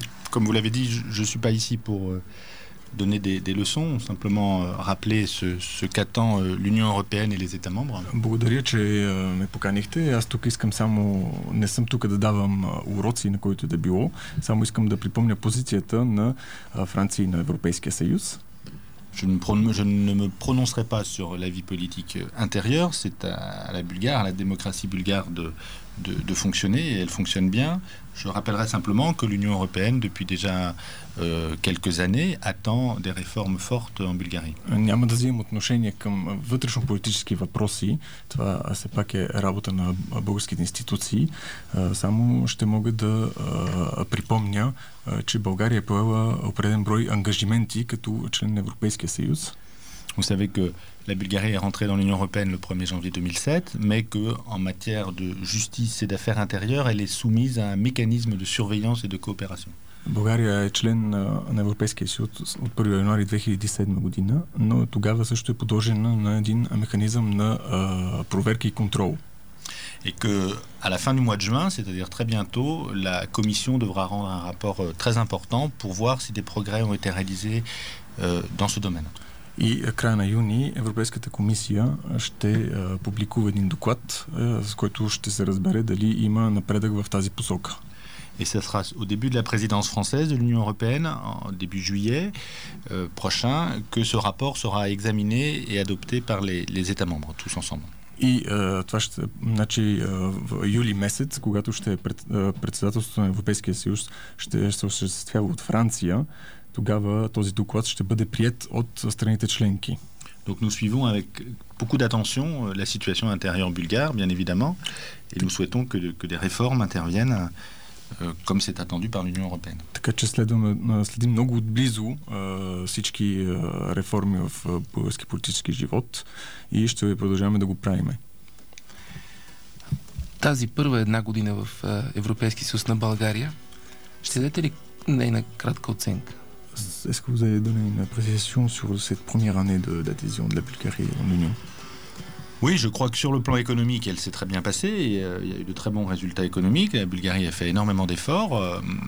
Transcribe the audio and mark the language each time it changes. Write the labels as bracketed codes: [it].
[fr] Comme vous l'avez dit, je ne suis pas ici pour donner des leçons, simplement rappeler ce qu'attend l'Union européenne et les États membres. [bg] Благодаря, че ме поканихте. Аз тук искам само, не съм тук да давам уроци на който да било, само искам да припомня позицията на Франция и на Европейския съюз. [fr] Je ne me prononcerai pas sur la vie politique intérieure. C'est à la Bulgare, à la démocratie bulgare de fonctionner, et elle fonctionne bien. Je rappellerai simplement que l'Union européenne, depuis déjà quelques années, attend des réformes fortes en Bulgarie. [bg] Няма да взимам отношение към вътрешнополитически въпроси. Това все пак е работа на българските институции. Само ще мога да припомня, че България поела определен брой ангажименти като член на Европейския съюз. [fr] Vous savez que la Bulgarie est rentrée dans l'Union européenne le 1er janvier 2007, mais que en matière de justice et d'affaires intérieures, elle est soumise à un mécanisme de surveillance et de coopération. [bg] България е член на Европейския съюз от 1 януари 2007 година, но тогава също е подложена на един механизъм на проверки и контрол. [fr] Et que à la fin du mois de juin, c'est-à-dire très bientôt, la commission devra rendre un rapport très important pour voir si des progrès ont été réalisés dans ce domaine. [bg] И края на юни Европейската комисия ще публикува един доклад, с който ще се разбере дали има напредък в тази посока. [fr] Et ce sera au début de la présidence française de l'Union européenne, en début juillet prochain, que ce rapport sera examiné et adopté par les États membres, tous ensemble. [bg] И това ще, значи, в юли месец, когато ще председателството на Европейския съюз ще се осъществява от Франция, тогава този доклад ще бъде прият от страните членки. [fr] Donc nous suivons avec beaucoup d'attention la situation intérieure bulgare, bien évidemment, et nous souhaitons que des réformes interviennent comme c'est attendu par l'Union européenne. [bg] Така че следим много отблизо всички реформи в български политически живот и ще продължаваме да го правиме. Тази първа една година в Европейски съюз на България, ще дадете ли нейна кратка оценка? [fr] Est-ce que vous avez donné une appréciation sur cette première année d'adhésion de la Bulgarie en Union ? Oui, je crois que sur le plan économique, elle s'est très bien passée. Il y a eu de très bons résultats économiques. La Bulgarie a fait énormément d'efforts.